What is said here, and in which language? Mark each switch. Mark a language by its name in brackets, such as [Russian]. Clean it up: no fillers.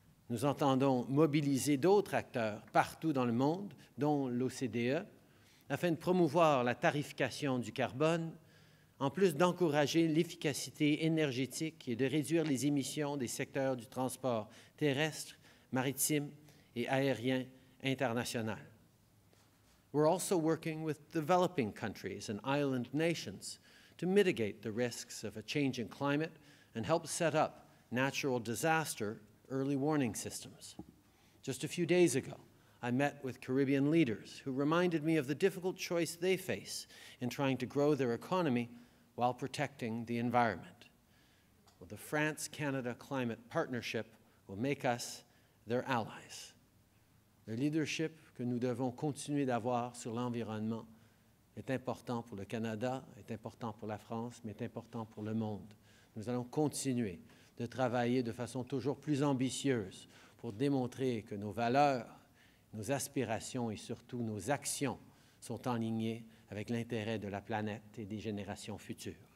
[French] Nous entendons mobiliser d'autres acteurs partout dans le monde, dont l'OCDE, afin de promouvoir la tarification du carbone, en plus d'encourager l'efficacité énergétique et de réduire les émissions des secteurs du transport terrestre, maritime et aérien international. [English] We're also working with developing countries and island nations to mitigate the risks of a changing climate and help set up natural disaster early warning systems. Just a few days ago, I met with Caribbean leaders who reminded me of the difficult choice they face in trying to grow their economy while protecting the environment. Well, the France-Canada Climate Partnership will make us their allies. [French] Le leadership que nous devons continuer d'avoir sur l'environnement est important pour le Canada, est important pour la France, mais est important pour le monde. Nous allons continuer de travailler de façon toujours plus ambitieuse pour démontrer que nos valeurs, nos aspirations et surtout nos actions sont alignées avec l'intérêt de la planète et des générations futures.